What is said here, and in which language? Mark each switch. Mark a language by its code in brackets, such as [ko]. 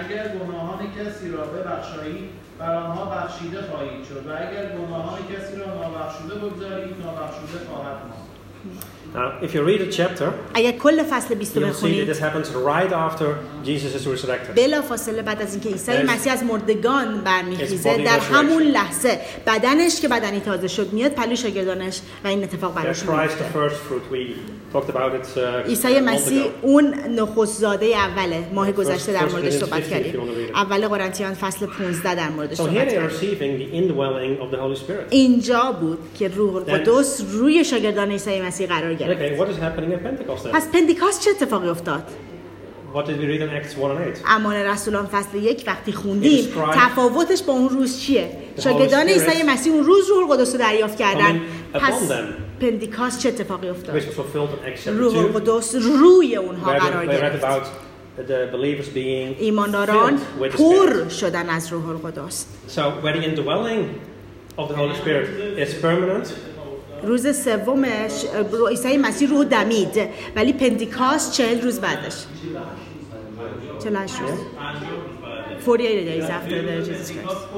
[fa] اگر گناهان کسی را ببخشایید بر آنها بخشیده خواهید شد و اگر گناهان کسی را نابخشوده بگذارید نابخشوده خواهد ماند. [en] If you read the chapter, [fa] اگر کل فصل 20 رو بخونید, [en] you'll see that this happens right after Jesus is resurrected. [fa] بلافاصله بعد از اینکه عیسی مسیح از مردگان برمی‌خیزه, در همون لحظه بدنش که بدنی تازه شد میاد پلو شاگردانش و این اتفاق براش میفته. [en] That's Christ, the first fruit. We talked about it. [fa] عیسی مسیح اون نخست‌زاده اوله. ماه گذشته در موردش صحبت کردیم. اول قرنتیان فصل 15 در موردش صحبت کردیم. [en] So here they are receiving the indwelling of the Holy Spirit. [fa] اینجا بود که روح القدس روی شاگردان عیسی مسیح قرار. [en] Okay, what is happening at Pentecost then? [fa] پس پندیکاست چه اتفاقی افتاد؟ [en] What did we read in Acts 1 and 8? [fa] اعمال رسولان فصل 1 وقتی خوندیم تفاوتش با اون روز چیه؟ شاگردان عیسی مسیح اون روز روح القدس رو دریافت کردن. پس پندیکاست چه اتفاقی افتاد؟ روح القدس روی اونها قرار گرفت. [en] The believers being [fa] ایمانداران پر شدن از روح القدس. [en] So, where the indwelling of the Holy Spirit is permanent. [fa] روز سومش عیسی مسیح روح دمید, ولی پندیکاست 40 روز بعدش. 40 روز. [en] 48 days after the Jesus Christ.